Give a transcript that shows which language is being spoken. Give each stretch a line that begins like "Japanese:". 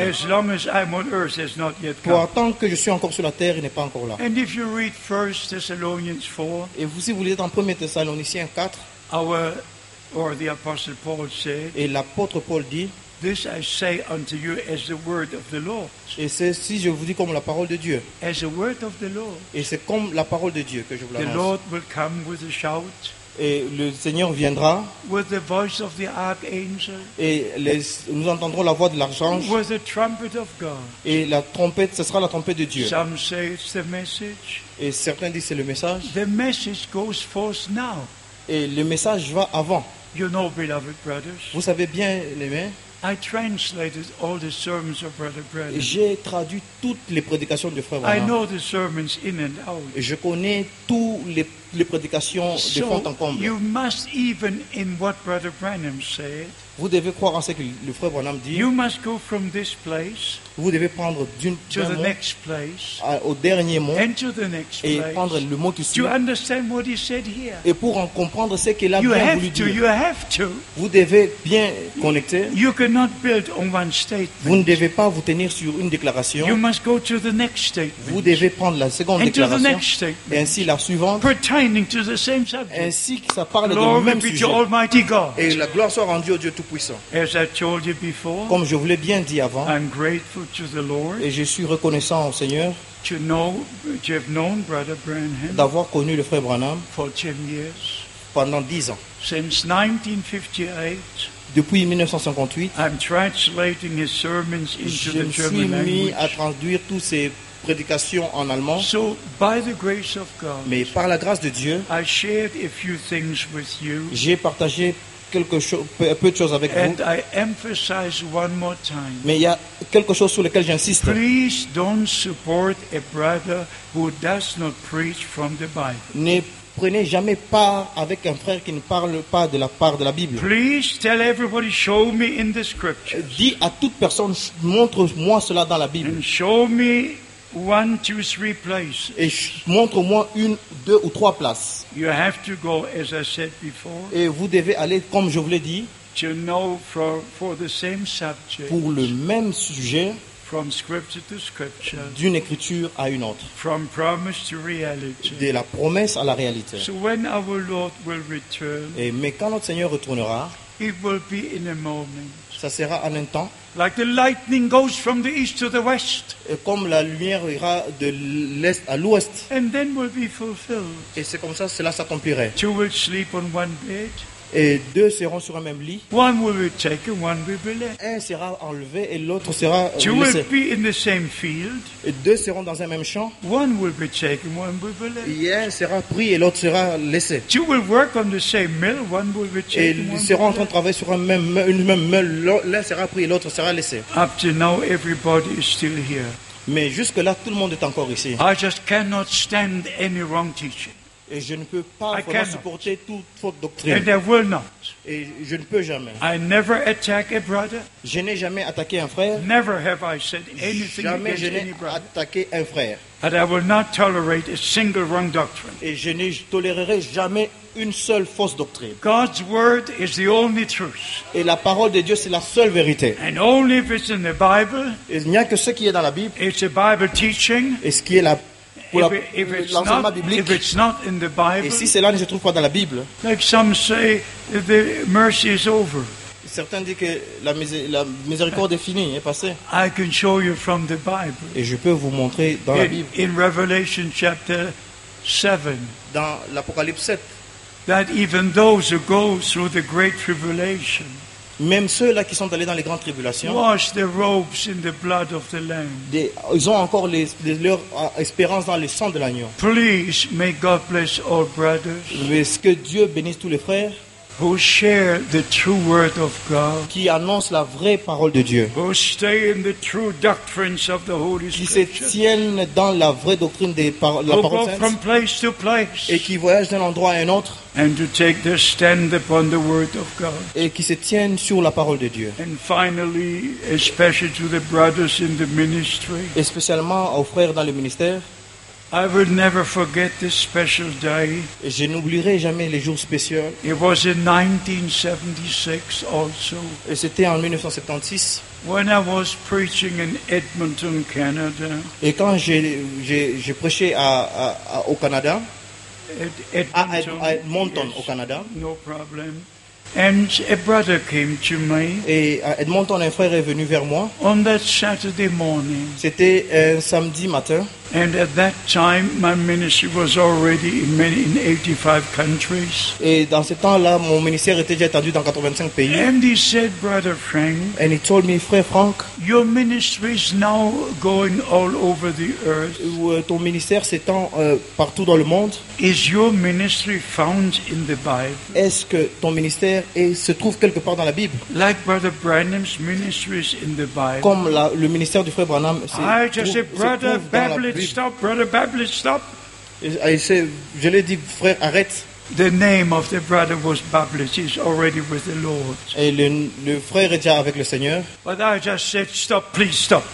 English: As long as I'm on earth, he's not yet come.
French: Pour autant que je suis encore sur la terre, il n'est pas encore là.
English: And if you read 1 Thessalonians 4.
French: Et vous si vous lisez en 1 Thessaloniciens 4.
English: Or the apostle Paul said.
French: Et l'apôtre Paul dit.
English: This I say unto you as the word of the Lord.
French: Et c'est si je vous dis comme la parole de Dieu.
English: As the word of the Lord.
French: Et c'est comme la parole de Dieu que je vous l'annonce.
English: The Lord will come with a shout.
French: Et le Seigneur viendra.
English: With the voice of the archangel.
French: Et nous entendrons la voix de l'archange.
English: With the trumpet of God.
French: Et la trompette, ce sera la trompette de Dieu.
English: Some say it's the message.
French: Et certains disent c'est le message.
English: The message goes forth now.
French: Et le message va avant.
English: You know, beloved brothers.
French: Vous savez bien, les mains.
English: I translated all the sermons of Brother Branham.
French: J'ai traduit toutes les prédications de Frère
English: Branham. I know the sermons in and out.
French: Je connais tous les prédications de fond en comble.
English: You must even in what Brother Branham said.
French: Vous devez croire en ce que le Frère Branham dit.
English: You must go from this place.
French: Vous devez prendre d'une
English: to the next place.
French: Au dernier mot.
English: And to the next
French: et
English: place.
French: Et prendre le mot qui suit.
English: To understand what he said here.
French: Et pour en comprendre ce qu'il a voulu dire.
English: You have to.
French: Vous devez bien connecter.
English: You cannot build on one statement.
French: Vous ne devez pas vous tenir sur une déclaration.
English: You must go to the next statement.
French: Vous devez prendre la seconde
English: and
French: déclaration.
English: To the next statement.
French: Et ainsi la suivante.
English: Pertaining to the same subject.
French: Ainsi que ça parle
English: glory
French: de même
English: be
French: sujet.
English: To Almighty God.
French: Et la gloire soit rendue au Dieu tout.
English: As I told you before,
French: comme je vous l'ai bien dit avant,
English: I'm grateful to the Lord,
French: et je suis reconnaissant au Seigneur
English: to know, to have known Brother Branham,
French: d'avoir connu le frère Branham
English: for 10 years,
French: pendant 10 ans.
English: Since 1958,
French: depuis 1958,
English: I'm translating his sermons into the German language.
French: Je me suis mis à traduire tous ses prédications en allemand.
English: So, by the grace of God,
French: mais par la grâce de Dieu,
English: I shared a few things with you,
French: j'ai partagé peu de choses avec
English: and
French: vous.
English: I emphasize one more time.
French: Mais il y a quelque chose sur lequel j'insiste.
English: Please don't support a brother who does not preach from the Bible.
French: Ne prenez jamais part avec un frère qui ne parle pas de la part de la Bible.
English: Please tell everybody, show me in the scriptures.
French: Dis à toute personne, montre-moi cela dans la Bible.
English: And show me one, two, three places.
French: Et montre-moi une, deux ou trois places.
English: You have to go, as I said before.
French: Et vous devez aller, comme je vous l'ai dit,
English: to know for the same subject,
French: pour le même sujet,
English: from scripture to scripture,
French: d'une écriture à une autre,
English: from promise to reality,
French: de la promesse à la réalité.
English: So when our Lord will return,
French: et mais quand notre Seigneur retournera,
English: it will be in a moment.
French: Ça sera en un temps.
English: Like the lightning goes from the east to the west.
French: Et comme la lumière ira de l'est à l'ouest.
English: And then will be fulfilled.
French: Et c'est comme ça cela s'accomplirait.
English: Two will sleep on one bed.
French: Et deux seront sur un même lit.
English: One will be taken, one will be left.
French: Un sera enlevé et l'autre sera
English: two
French: laissé.
English: Will be in the same field.
French: Et deux seront dans un même champ.
English: One will be taken, one will be left.
French: Et un sera pris et l'autre sera laissé.
English: Two will work on the same mill, one will be taken,
French: et ils seront en train de travailler sur une même mill. L'un sera pris et l'autre sera laissé.
English: Up to now, everybody is still here.
French: Mais jusque là, tout le monde est encore ici.
English: I just cannot stand any wrong teaching.
French: Et je ne peux pas supporter toute faute doctrine.
English: And I will not.
French: Et je ne peux jamais.
English: I never attack a brother.
French: Je n'ai jamais attaqué un frère.
English: Never have I said anything
French: jamais
English: against
French: je n'ai
English: any brother.
French: Attaqué un frère.
English: And I will not tolerate a single wrong doctrine.
French: Et je ne tolérerai jamais une seule fausse doctrine.
English: God's word is the only truth.
French: Et la parole de Dieu c'est la seule vérité.
English: And only if it's in the Bible.
French: Et il n'y a que ce qui est dans la Bible.
English: It's a Bible teaching.
French: Et ce qui est la
English: if it's not in the Bible,
French: et si cela ne se trouve pas dans la Bible,
English: like some say, the mercy is over.
French: Certains disent que la miséricorde est finie, est passée.
English: I can show you from the Bible.
French: Et je peux vous montrer dans la Bible.
English: In Revelation chapter 7.
French: Dans l'Apocalypse 7.
English: That even those who go through the great tribulation.
French: Même ceux-là qui sont allés dans les grandes tribulations,
English: wash their robes in the blood of the Lamb.
French: Ils ont encore leur espérance dans le sang de l'agneau.
English: Please, may God bless all brothers.
French: Est-ce que Dieu bénisse tous les frères?
English: Who share the true word of God?
French: Qui annonce la vraie parole de Dieu?
English: Who stay in the true doctrines of the Holy Spirit?
French: Qui se tiennent dans la vraie doctrine des paroles saintes?
English: Who go from place to place?
French: Et qui voyagent d'un endroit à un autre?
English: And to take their stand upon the word of God.
French: Et qui se tiennent sur la parole de Dieu.
English: And finally, especially to the brothers in the ministry.
French: Et spécialement aux frères dans le ministère.
English: I will never forget this special day.
French: Je n'oublierai jamais les jours spéciaux.
English: It was in 1976 also.
French: Et c'était en 1976.
English: When I was preaching in Edmonton, Canada.
French: Et quand j'ai prêché au Canada.
English: Edmonton,
French: yes, au Canada.
English: No problem. And a brother came to me.
French: Et à Edmonton, un frère est venu vers moi.
English: On that Saturday morning.
French: C'était un samedi matin.
English: And at that time, my ministry was already in 85 countries.
French: Et dans ce temps-là, mon ministère était déjà étendu dans 85 pays.
English: And he said, Brother Frank. And he told me, Frère Frank. Your ministry is now going all over the earth.
French: Ton ministère s'étend partout dans le monde.
English: Is your ministry found in the Bible?
French: Est-ce que ton ministère faire et se trouve quelque part dans la Bible.
English: Like Brother Branham's ministry is in the Bible.
French: Comme la, le ministère du frère Branham, c'est
English: I just said, Brother Babbage, stop, Brother Babbage, stop.
French: Je lui ai dit, frère, arrête.
English: The name of the brother was Babbage. He's already with the Lord.
French: Et le frère est déjà avec le Seigneur.
English: But I just said, stop, please stop.